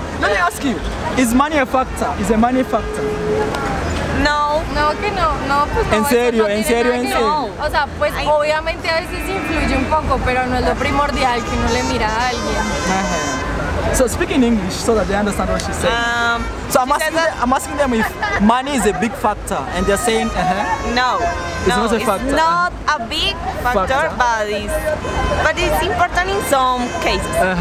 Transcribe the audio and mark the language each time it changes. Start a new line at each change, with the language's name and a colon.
English: Let me ask you, is money a factor? Is a money a factor? No.
Spanish: No, que no. No, pues no. En serio. O sea, pues obviamente a veces influye un poco, pero no es lo primordial que uno le mira a alguien.
English: So speak in English so that they understand what she's saying. I'm asking them if money is a big factor, and they're saying, No. It's not a factor. It's not a big factor, but it's important in some cases.